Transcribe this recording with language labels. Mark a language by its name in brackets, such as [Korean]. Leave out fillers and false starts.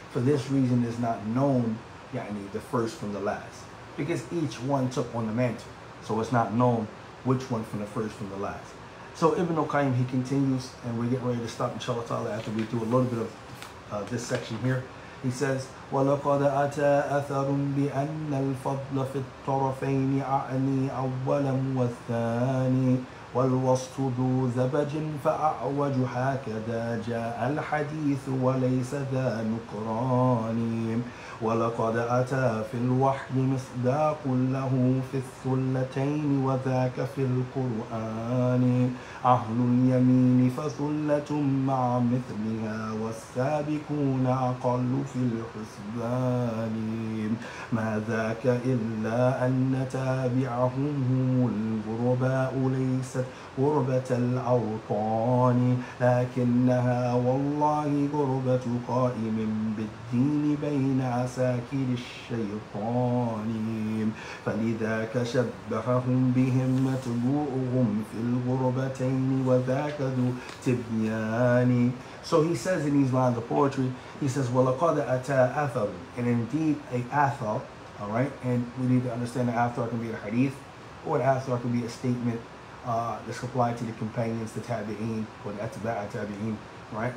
[English] For this reason is not known, يعني, the first from the last. Because each one took on the mantle. So it's not known which one from the first from the last. So Ibn al-Qayyim, he continues, and we're getting ready to stop, inshallah ta'ala, after we do a little bit of this section here. [Arabic] He says, وَلَقَدْ أَتَى أَثَرٌ بِأَنَّ الْفَضْلَ فِي الطَّرَفَيْنِ أَعْنِي أَوَّلًا وَالثَّانِي وَالْوَسْطُ ذُو زَبَجٍ فَأَعْوَجُ هَكَذَا جَاءَ الْحَدِيثُ وَلَيْسَ ذَا نُكْرَانِي وَلَقَدْ أَتَى فِي الْوَحْيِ مِصْدَاقٌ لَهُ فِي الثُّلَّتَيْنِ وَذَاكَ فِي الْقُرْآنِ أَهْلُ الْيَمِينِ فَثُلَّةٌ مَعَ مِثْلِهَا وَالسَّابِقُونَ أَقَلُّ فِي الْحُسْبَانِ مَا ذَاكَ إِلَّا أَنَّ تَابِعَهُمْ الْغُرَبَاءُ لَيْسَتْ غربة الأوطان لكنها والله غربة قائم بالدين بين عساكر الشيطان فلذاك شبههم بهم متبوعهم في الغربتين وذاك ذو تبيان. [English] So he says in his line of poetry, he says, [Arabic] وَلَقَدْ أَتَى أَثَرٌ. [English] And indeed, a athar, all right? And we need to understand that athar can be a hadith, or an athar can be a statement that's applied to the companions, the tabi'een, or the atba'a tabi'een, right?